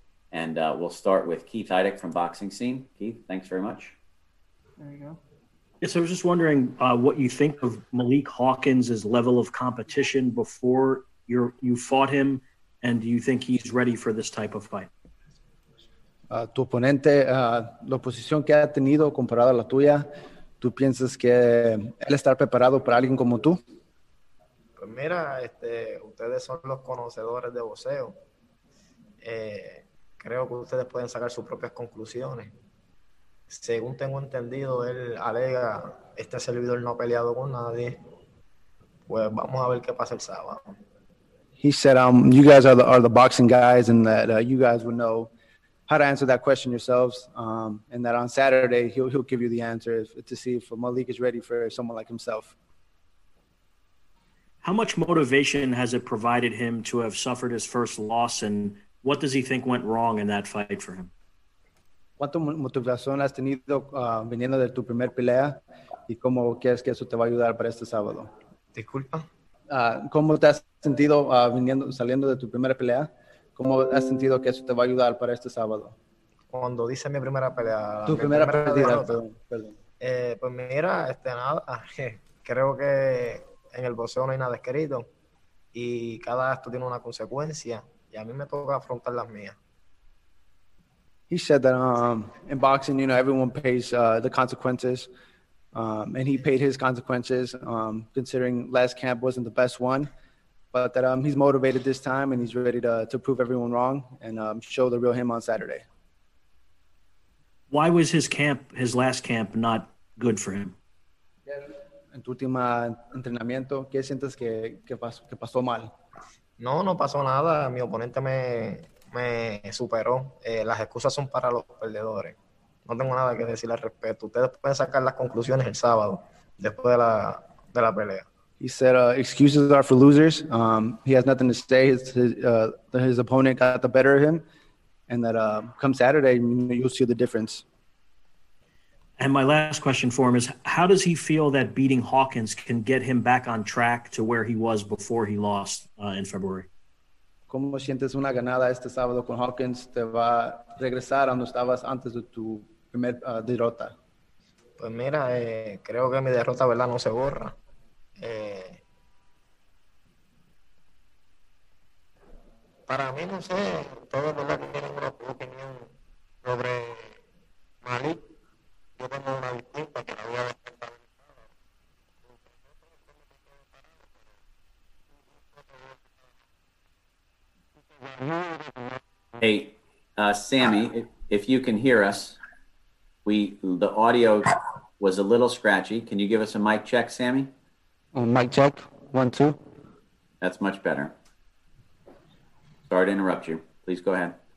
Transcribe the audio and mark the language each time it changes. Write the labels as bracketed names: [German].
[English] And we'll start with Keith Idick from Boxing Scene. Keith, thanks very much. There you go. Yes, I was just wondering what you think of Malik Hawkins' level of competition before you fought him, and do you think he's ready for this type of fight? [Spanish] Tu oponente, la posición que ha tenido comparada a la tuya, ¿tú piensas que él está preparado para alguien como tú? Pues mira, ustedes son los conocedores de boxeo. Creo que ustedes pueden sacar sus propias conclusiones. Según tengo entendido, él alega, este servidor no ha peleado con nadie. Pues vamos a ver qué pasa el sábado. [English] He said, you guys are the boxing guys, and that you guys would know how to answer that question yourselves, and that on Saturday he'll give you the answer to see if Malik is ready for someone like himself. How much motivation has it provided him to have suffered his first loss, and what does he think went wrong in that fight for him? [Spanish] ¿Cuánto motivación has tenido viniendo de tu primer pelea, y cómo crees que eso te va a ayudar para este sábado? Disculpa. ¿Cómo te has sentido saliendo de tu primera pelea? ¿Cómo has sentido que eso te va a ayudar para este sábado? Cuando dice mi primera pelea. Tu primera pelea, perdón. Pues mira, nada. Creo que en el boxeo no hay nada escrito. Y cada acto tiene una consecuencia. Y a mí me toca afrontar las mías. [English] He said that in boxing, you know, everyone pays the consequences. And he paid his consequences, considering last camp wasn't the best one, but that he's motivated this time and he's ready to prove everyone wrong and show the real him on Saturday. Why was his last camp, not good for him? [Spanish] En tu último entrenamiento, ¿qué sientes que pasó mal? No pasó nada. Mi oponente me superó. Las excusas son para los perdedores. No tengo nada que decir al respecto. Ustedes pueden sacar las conclusiones el sábado, después de la pelea. [English] He said, excuses are for losers. He has nothing to say. His opponent got the better of him. And that come Saturday, you'll see the difference. And my last question for him is, how does he feel that beating Hawkins can get him back on track to where he was before he lost in February? [Spanish] ¿Cómo sientes una ganada este sábado con Hawkins te va a regresar a donde estabas antes de tu primer derrota? Pues mira, creo que mi derrota, ¿verdad?, no se borra. Para mí, no sé, todos, ¿verdad?, tienen una opinión sobre Malik. Yo tengo una disculpa que la voy a dejar. [English] Hey, Sammy, if you can hear us, the audio was a little scratchy. Can you give us a mic check, Sammy? Mic check, 1, 2. That's much better. Sorry to interrupt you. Please go ahead.